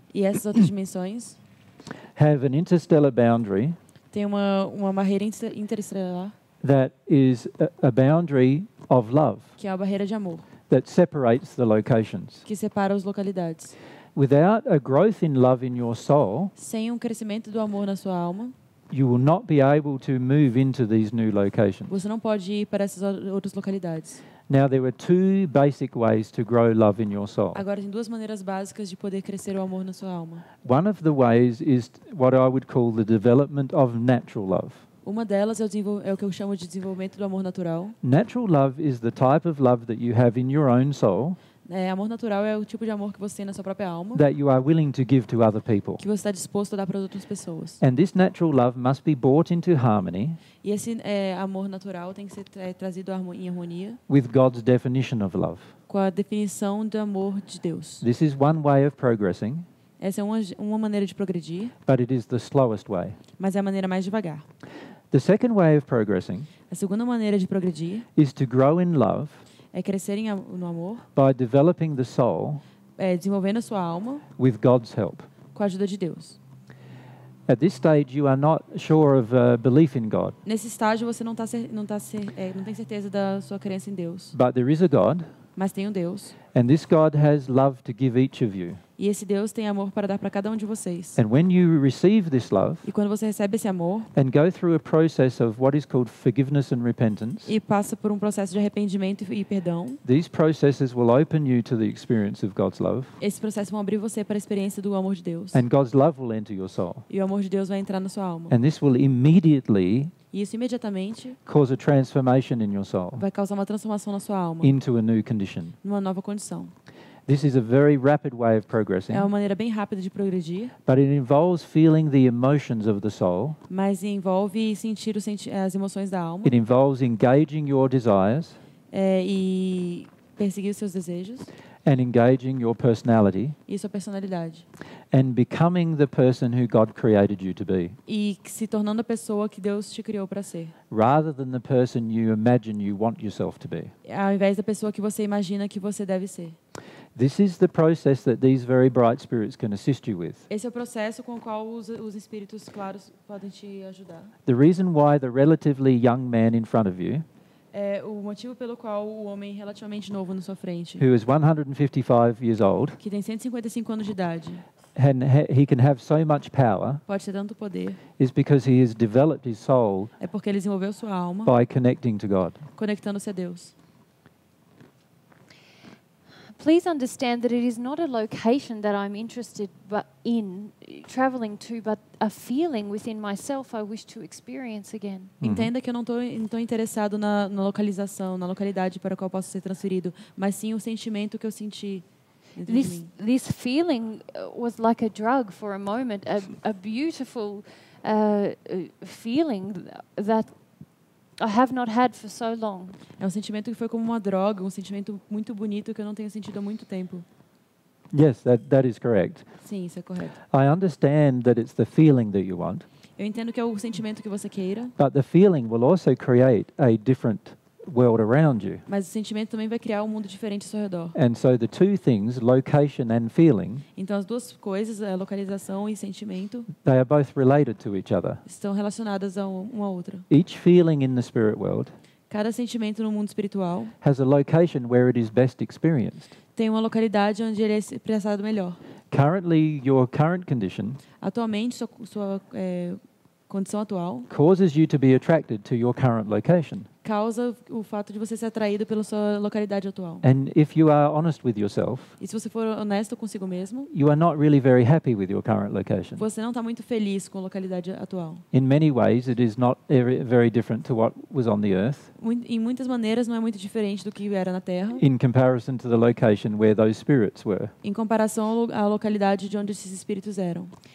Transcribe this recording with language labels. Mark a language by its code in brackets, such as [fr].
[pt] E essas outras dimensões. [en] Have an interstellar boundary. [pt] Tem uma barreira interestelar. [en] That is a boundary of love. [pt] Que é a barreira de amor. [en] That separates the locations. [pt] Que separa as localidades. [en] Without a growth in love in your soul, [pt] sem um crescimento do amor na sua alma, [en] you will not be able to move into these new locations. [pt] Você não pode ir para essas outras localidades. [en] Now there were two basic ways to grow love in your soul. [pt] Agora tem duas maneiras básicas de poder crescer o amor na sua alma. [en] One of the ways is what I would call the development of natural love. [pt] Uma delas é o que eu chamo de desenvolvimento do amor natural. [en] Natural love is the type of love that you have in your own soul. [pt] Amor natural é o tipo de amor que você tem na sua própria alma. [en] That you are willing to give to other people. [pt] Que você está disposto a dar para outras pessoas. [en] And this natural love must be brought into harmony. [pt] E esse amor natural tem que ser trazido em harmonia. [en] With God's definition of love. [pt] Com a definição do amor de Deus. [en] This is one way of progressing. [pt] Essa é uma maneira de progredir. [en] But it is the slowest way. [pt] Mas é a maneira mais devagar. [en] The second way of progressing. [pt] A segunda maneira de progredir. [en] Is to grow in love. [pt] É crescer no amor. [en] By developing the soul. [pt] Desenvolvendo a sua alma. [en] With God's help. [pt] Com a ajuda de Deus. [en] At this stage, you are not sure of belief in God. [pt] Nesse estágio, você não tem certeza da sua crença em Deus. [en] But there is a God. [pt] Mas tem Deus. [en] And this God has love to give each of you. [pt] E esse Deus tem amor para dar para cada de vocês. [en] And when you receive this love. [pt] E quando você recebe esse amor. [en] And go through a process of what is called forgiveness and repentance. [pt] E passa por processo de arrependimento e perdão. [en] These processes will open you to the experience of God's love. [pt] Esse processo vai abrir você para a experiência do amor de Deus. [en] And God's love will enter your soul. [pt] E o amor de Deus vai entrar na sua alma. [en] And this will immediately. [pt] E isso imediatamente [en] cause a transformation in your soul, [pt] vai causar uma transformação na sua alma [en] into a new condition, [pt] numa nova condição. [en] This is a very rapid way of progressing, [pt] é uma maneira bem rápida de progredir, [en] but it involves feeling the emotions of the soul, [pt] mas envolve sentir as emoções da alma. [en] It involves engaging your desires, [pt] e perseguir os seus desejos. [en] And engaging your personality. [pt] E sua personalidade. [en] And becoming the person who God created you to be. [pt] E se tornando a pessoa que Deus te criou para ser. [en] Rather than the person you imagine you want yourself to be. [pt] Ao invés da pessoa que você imagina que você deve ser. [en] This is the process that these very bright spirits can assist you with. [pt] Esse é o processo com o qual os espíritos claros podem te ajudar. [en] The reason why the relatively young man in front of you. [pt] O motivo pelo qual o homem relativamente novo na sua frente, [en] who is 155 years old, [pt] que tem 155 anos de idade, [en] and he can have so much power, [pt] pode ter tanto poder, [en] is because he has developed his soul, [pt] é porque ele desenvolveu sua alma, [en] by connecting to God, [pt] conectando-se a Deus. [en] Please understand that it is not a location that I'm interested in traveling to, but a feeling within myself I wish to experience again. [pt] Entenda que eu não tô interessado na localização, na localidade para a qual posso ser transferido, mas sim o sentimento que eu senti. [en] This feeling was like a drug for a moment, a beautiful feeling that I have not had for so long. [pt] É um sentimento que foi como uma droga, um sentimento muito bonito que eu não tenho sentido há muito tempo. [en] Yes, that is correct. [pt] Sim, isso é correto. [en] I understand that it's the feeling that you want. [pt] Eu entendo que é o sentimento que você queira. [en] But the feeling will also create a different world around you. [pt] Mas o sentimento também vai criar um mundo diferente ao seu redor. [en] And so the two things, location and feeling. [pt] Então as duas coisas, a localização e sentimento, [en] they are both related to each other. [pt] Estão relacionadas a uma outra. [en] Each feeling in the spirit world. [pt] Cada sentimento no mundo espiritual [en] has a location where it is best experienced. [pt] Tem uma localidade onde ele é expressado melhor. [en] Currently your current condition. [pt] Atualmente sua condição atual [en] causes you to be attracted to your current location. [pt] Causa o fato de você ser atraído pela sua localidade atual. [en] And if you are honest with yourself, [pt] e se você for honesto consigo mesmo, [en] you are not really very happy with your current location. [pt] Você não está muito feliz com a localidade atual. [en] In many ways, it is not very different to what was on the earth. [pt] Em muitas maneiras, não é muito diferente do que era na Terra. [en] In comparison to the location where those spirits were. [pt] Em comparação à localidade de onde esses espíritos eram.